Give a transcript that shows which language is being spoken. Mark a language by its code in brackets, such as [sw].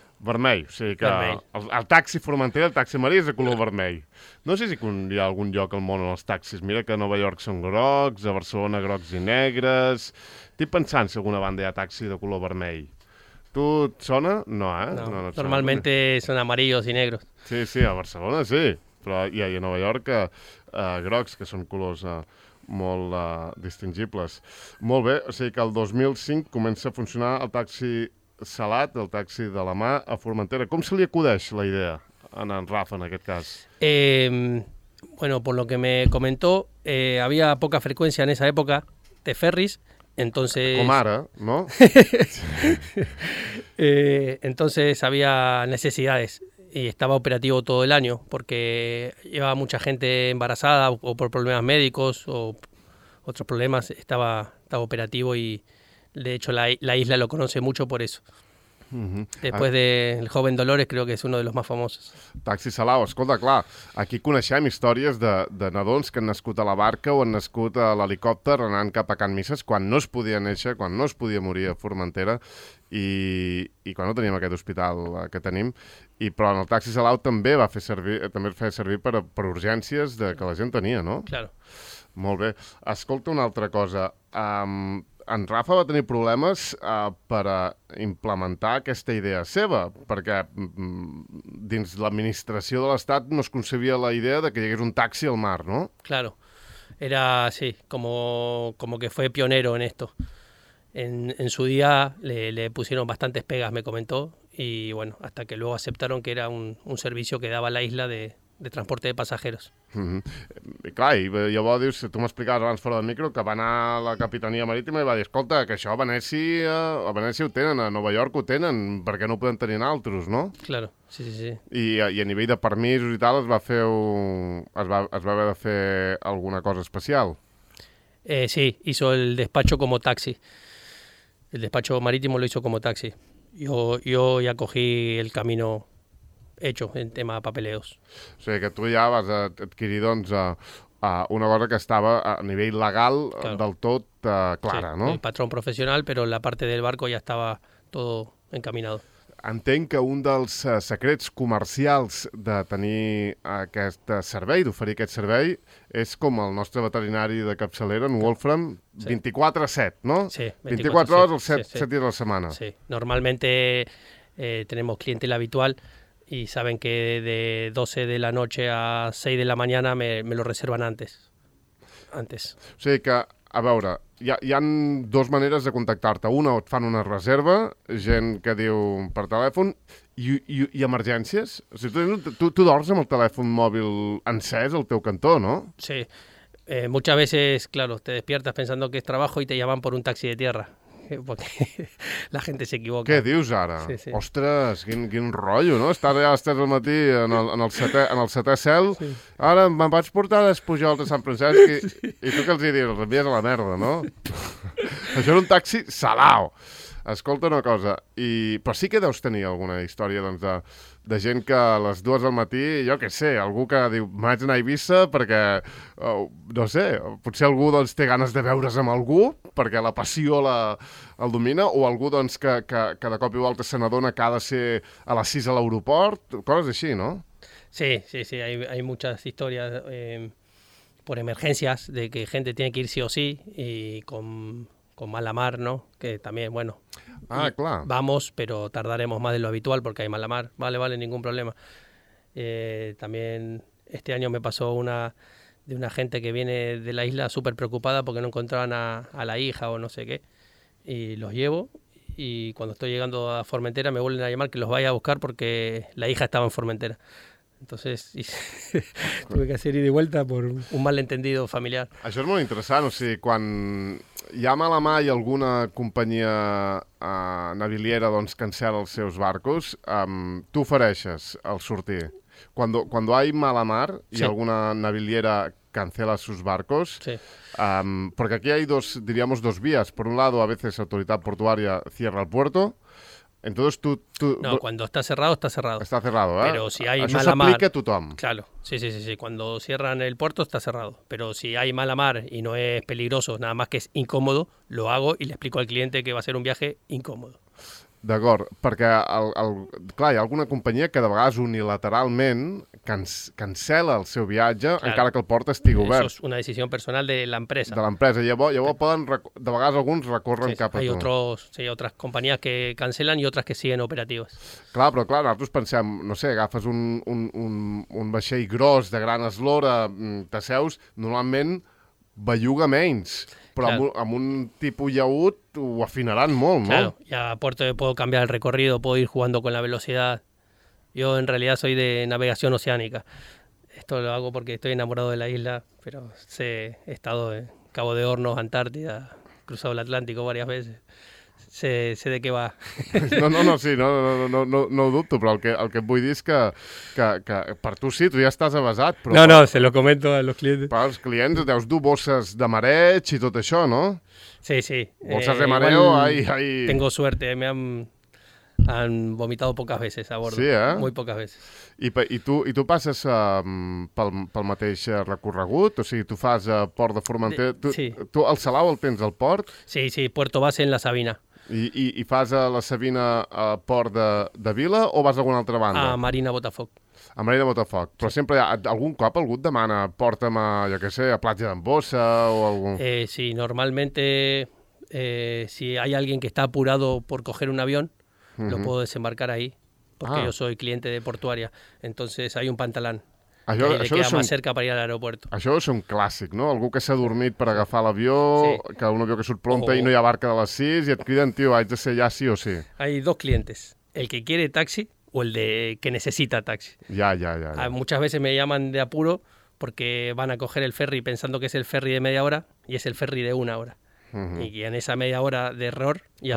[ca] Vermell, o sigui que el taxi Formentera, el taxi marí, és de color vermell. No sé si hi ha algun lloc al món on els taxis, mira que a Nova York són grocs, a Barcelona grocs i negres... Estic pensant si alguna banda hi ha taxi de color vermell. Tu et sona? No, eh? [es] No normalmente son amarillos y negros. [ca] Sí, sí, a Barcelona sí, però hi ha a Nova York grocs, que són colors molt distingibles. Molt bé, o sigui que el 2005 comença a funcionar el taxi Salat, el taxi de la mà a Formentera. [es] ¿Cómo se le [ca] acudeix la idea a en Rafa en aquest cas? [es] Bueno, por lo que me comentó, había poca frecuencia en esa época de ferries, entonces... [ca] Com ara, ¿no? [es] entonces había necesidades y estaba operativo todo el año porque llevaba mucha gente embarazada o por problemas médicos o otros problemas, estaba operativo y... De hecho, la isla lo conoce mucho por eso. Después del joven Dolores, creo que es uno de los más famosos. Taxi Salao. [ca] Escolta, clar, aquí coneixem històries de nadons que han nascut a la barca o han nascut a l'helicòpter anant cap a Can Mises quan no es podia néixer, quan no es podia morir a Formentera i quan no teníem aquest hospital que tenim. Però en el taxi Salao també va fer servir, per urgències que la gent tenia, no? [es] Claro. [ca] Molt bé. Escolta una altra cosa. En Rafa va tenir problemes per implementar aquesta idea seva, perquè dins l'administració de l'Estat no es concebia la idea de que hi hagués un taxi al mar, no? [es] Claro, era así, como que fue pionero en esto. En su día le pusieron bastantes pegas, me comentó, y bueno, hasta que luego aceptaron que era un servicio que daba la isla de transporte de pasajeros. [ca] I clar, llavors dius, tu m'explicaves abans fora del micro que va anar a la Capitania Marítima i va dir, escolta, que això a Venècia ho tenen, a Nova York ho tenen, per què no ho poden tenir en altres, no? [es] Claro, sí. [ca] I a nivell de permisos i tal es va haver de fer alguna cosa especial? [es] Sí, hizo el despacho como taxi. El despacho marítimo lo hizo como taxi. Yo ya cogí el camino hecho en tema de papeleos. [ca] O sigui que tu ja vas adquirir, doncs, Una cosa que estava a nivell legal claro. del tot clara, sí, no? El patrón professional, però la part del barco ja estava tot encaminat. Entenc que un dels secrets comercials de tenir aquest servei, d'oferir aquest servei, és com el nostre veterinari de capçalera, en Wolfram, sí. 24/7, no? Sí, 24 hores, 7, sí, sí. 7 dies de la setmana. [es] Sí, normalmente tenemos cliente habitual y saben que de 12 de la noche a 6 de la mañana me lo reservan antes. Antes. [ca] O sigui que, a veure, hi ha dues maneres de contactar-te. Una, et fan una reserva, gent que diu per telèfon, i emergències. O sigui, tu dors amb el telèfon mòbil encès al teu cantó, no? Sí. [es] Muchas veces, claro, te despiertas pensando que es trabajo y te llaman por un taxi de tierra. Porque la gente se equivoca. [ca] Què dius ara? Sí, sí. Ostres, quin rotllo, no? Estar allà a les 3 del matí en el setè cel. Sí. Ara me'n vaig portar a Despujols de Sant Francesc i, sí. i tu què els hi dius? Els envies a la merda, no? Això era un taxi salau. Escolta una cosa, però sí que deus tenir alguna història doncs, de gent que a les 2 del matí, jo què sé, algú que diu, m'haig d'anar a Eivissa perquè, no sé, potser algú doncs, té ganes de veure's amb algú perquè la passió el domina, o algú doncs, que de cop i volta se n'adona que ha de ser a les 6 a l'aeroport, coses així, no? [es] Sí, sí, sí, hay muchas historias por emergencias de que gente tiene que ir sí o sí y con mala mar, ¿no? Que también, bueno. Ah, claro. Vamos, pero tardaremos más de lo habitual porque hay mala mar. Vale, vale, ningún problema. También este año me pasó una de una gente que viene de la isla súper preocupada porque no encontraban a la hija o no sé qué. Y los llevo. Y cuando estoy llegando a Formentera me vuelven a llamar que los vaya a buscar porque la hija estaba en Formentera. Entonces tuve que hacer ida y vuelta por un malentendido familiar. [ca] Això és molt interessant. O sigui, quan hi ha mala mà i alguna companyia naviliera doncs, cancela els seus barcos, tu ofereixes el sortir. Quan hi ha mala mar i sí. alguna naviliera cancela els seus barcos, sí. Perquè aquí hi ha dos, diríamos, dos vies. [es] Per un lado, a veces [ca] l'autoritat portuària [es] cierra el puerto. Entonces tú... No, cuando está cerrado, está cerrado. Está cerrado, ¿eh? Pero si hay mala mar... Eso se aplica a tothom. Claro, sí, sí, sí, sí. Cuando cierran el puerto, está cerrado. Pero si hay mala mar y no es peligroso, nada más que es incómodo, lo hago y le explico al cliente que va a ser un viaje incómodo. [ca] D'acord, perquè, clar, hi ha alguna companyia que de vegades unilateralment cancela el seu viatge claro. encara que el port estigui obert. Això és una decisió personal de l'empresa. De l'empresa. Llavors poden, de vegades alguns recorren sí, cap a tu. Sí, hi ha altres companyies que cancelen i altres que siguen operatives. Clar, però clar, nosaltres pensem, no sé, agafes un vaixell gros de gran eslora, t'asseus, normalment belluga menys. Però claro. amb un tipus llaüt ho afinaran molt, claro, no? [es] Claro, y a Puerto puedo cambiar el recorrido, puedo ir jugando con la velocidad. Yo en realidad soy de navegación oceánica. Esto lo hago porque estoy enamorado de la isla, pero sé, he estado en Cabo de Hornos, Antártida, cruzado el Atlántico varias veces. [ca] Sé de què va. No ho dubto, però el que et vull dir és que per tu sí, tu ja estàs avesat. Però [es] no, se lo comento a los clientes. [ca] Per als clients deus dur bosses de mareig i tot això, no? Sí, sí. Bosses de mareo, ai. [es] Tengo suerte, me han vomitado pocas veces a bordo. [ca] Sí, eh? [es] Muy pocas veces. [ca] I tu passes pel mateix recorregut? O sigui, tu fas port de Formentera? Sí. Tu el Salau el tens al port? [es] Sí, sí, Puerto Base en la Sabina. [ca] I fas a la Sabina a port de Vila o vas a alguna altra banda? A Marina Botafoc. A Marina Botafoc. Però sí. sempre, algun cop algú et demana, porta'm a, jo què sé, a Platja d'en Bossa o algun... [es] Sí, normalmente, si hay alguien que está apurado por coger un avión, uh-huh. lo puedo desembarcar ahí, porque yo soy cliente de portuaria. Entonces hay un pantalán. [ca] Això, que això queda més cerca per ir a l'aeroport. Això és un clàssic, no? Algú que s'ha adormit per agafar l'avió, sí. que un avió que surt prompte i no hi ha barca de les 6 i et criden, tio, haig de ser allà sí o sí. [es] Hay dos clientes, el que quiere taxi o el de que necesita taxi. Ya. Muchas veces me llaman de apuro porque van a coger el ferry pensando que es el ferry de media hora y es el ferry de una hora. Uh-huh. Y en esa media hora de error ya